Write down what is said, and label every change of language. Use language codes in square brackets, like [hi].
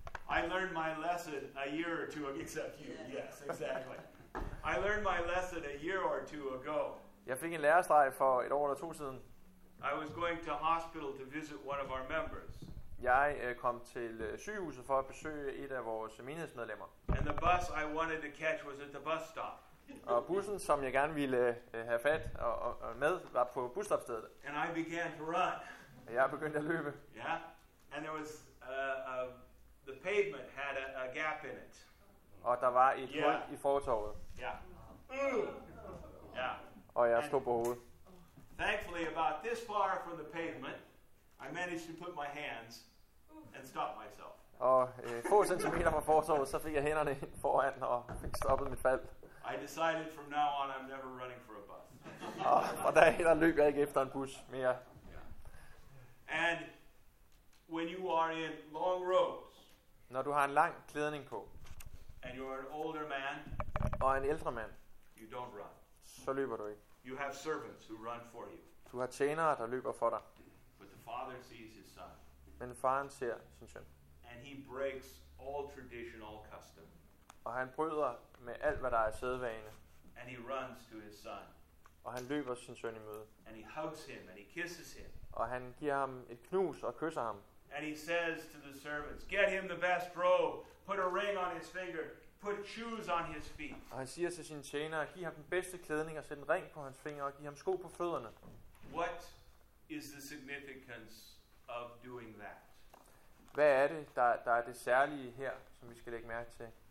[en] I learned my lesson a year or two ago. Except you. Yes, exactly. I learned my lesson a year or two ago. [da] Jeg fik en lærestreg for et år eller to siden. [en] I was going to hospital to visit one of our members. [da] Jeg kom til sygehuset for at besøge et af vores menighedsmedlemmer. [en] And the bus I wanted to catch was at the bus stop. [da] Og bussen som jeg gerne ville have fat og med var på busstoppestedet. [en] And I began to run. [da] Og jeg begyndte at løbe. [en] Yeah. And there was the pavement had a gap in it. [da] Og der var et hul i fortovet. Og jeg stod på hovedet. [en] Thankfully about this far from the pavement, I managed to put my hands and stop myself. [da] Og få centimeter fra fortovet, så fik jeg hænderne ind foran og fik stoppet mit fald. [en] I decided from now on I'm never running for a bus. [da] Og der løb jeg ikke efter en bus mere. [en] And when you are in long robes. [da] Når du har en lang klædning på. [en] And you're an older man. [da] Og en ældre mand. [en] You don't run. [da] Så løber du ikke. [en] You have servants who run for you. [da] Du har tjenere der løber for dig. [en] But the father sees his son. [da] Men faren ser sin søn. [en] And he breaks all tradition, all custom. [da] Og han bryder med alt hvad der er sædvane. [en] And he runs to his son. [da] Og han løber sin søn i møde. [en] And he hugs him and he kisses him. [da] Og han giver ham et knus og kysser ham. [en] And he says to the servants, get him the best robe, put a ring on his finger, put shoes on his feet. [da] Og han siger til sin tjener, giv ham den bedste klædning og sæt en ring på hans finger og giv ham sko på fødderne. [en] What is the significance of doing that? [da] Hvad er det, der er det særlige her, som vi skal lægge mærke til?